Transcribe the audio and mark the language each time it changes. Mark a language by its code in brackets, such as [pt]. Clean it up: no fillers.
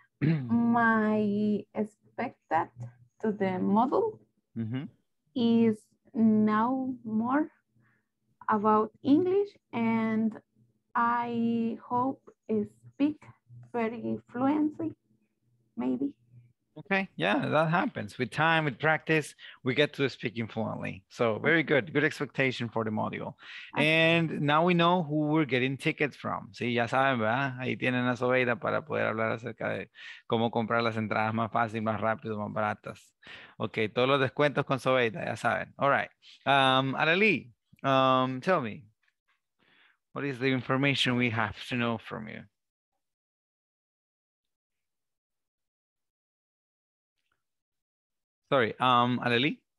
[en] My expected to the model is now more about English, and I hope it speak very fluently. Maybe. Okay. Yeah, that happens. With time, with practice, we get to speaking fluently. So very good. Good expectation for the module. And now we know who we're getting tickets from. [es] Sí, ya saben, ¿verdad? Ahí tienen a Soveida para poder hablar acerca de cómo comprar las entradas más fácil, más rápido, más baratas. Okay, todos los descuentos con Soveida, ya saben. [en] All right. Arely, tell me, what is the information we have to know from you? Sorry, Adeli?